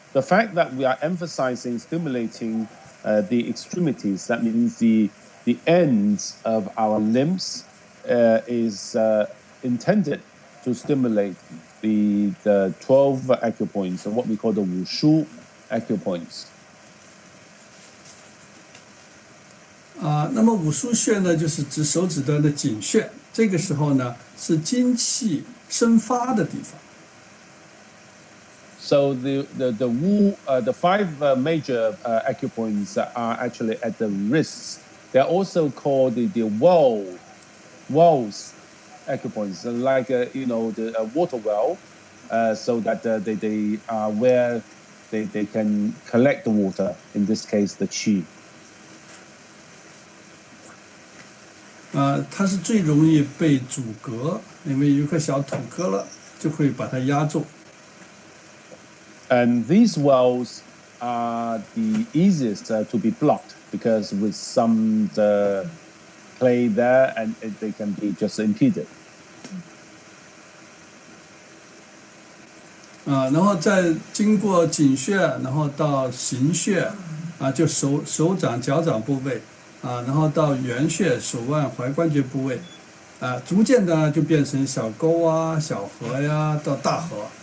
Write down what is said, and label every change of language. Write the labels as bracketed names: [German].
[English] The fact that we are emphasizing stimulating the extremities, that means the ends of our limbs, is intended to stimulate the 12 acupoints, or what we call the wushu acupoints. [Chinese] 那么五腧穴呢，就是指手指端的井穴，这个时候呢，是精气生发的地方。 [English] So the five major acupoints are actually at the wrists. They're also called the walls acupoints, like the water well, so that they are where they can collect the water. In this case, the qi. [Chinese] 它是最容易被阻隔，因为有一颗小土疙瘩就会把它压住。 [English] And these wells are the easiest to be blocked because with some clay there, and they can be just impeded. [Chinese] 然后再经过井穴，然后到行穴，就手掌、脚掌部位，然后到原穴、手腕、踝关节部位，逐渐的就变成小沟啊、小河呀、到大河。